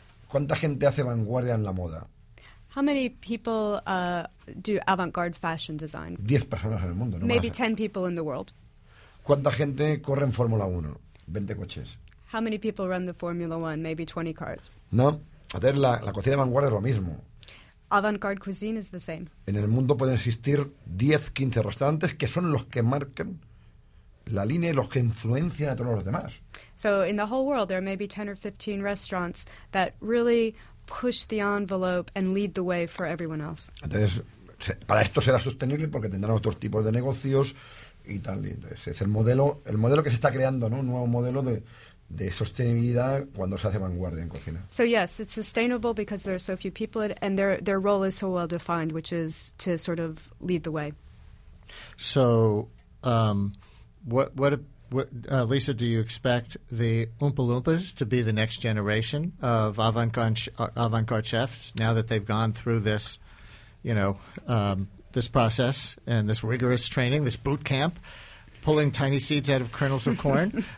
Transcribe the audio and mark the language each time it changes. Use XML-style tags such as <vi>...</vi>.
<es>¿Cuánta gente hace vanguardia en la moda?</es> <en>How many people do avant-garde fashion design?</en> <es>10 personas en el mundo.</es> <en>Maybe 10 people in the world.</en> <es>¿Cuánta gente corre en Fórmula 1? 20 coches.</es> <en>How many people run the Formula 1? Maybe 20 cars.</en> <es>No. Hacer la cocina de vanguardia es lo mismo.</es> <en>Avant-garde cuisine is the same.</en> <es>En el mundo pueden existir 10, 15 restaurantes que son los que marcan la línea y los que influencian a todos los demás.</es> <en>So in the whole world there may be 10 or 15 restaurants that really push the envelope and lead the way for everyone else.</en> <es>Entonces, para esto será sostenible porque tendrán otros tipos de negocios y tal. Entonces, es el modelo que se está creando, ¿no? Un nuevo modelo de sostenibilidad cuando se hace vanguardia en cocina.</es> <en>So yes, it's sustainable because there are so few people and their role is so well defined, which is to sort of lead the way. So what Lisa, do you expect the Oompa Loompas to be the next generation of avant-garde chefs now that they've gone through this, you know, this process and this rigorous training, this boot camp, pulling tiny seeds out of kernels of corn?</en>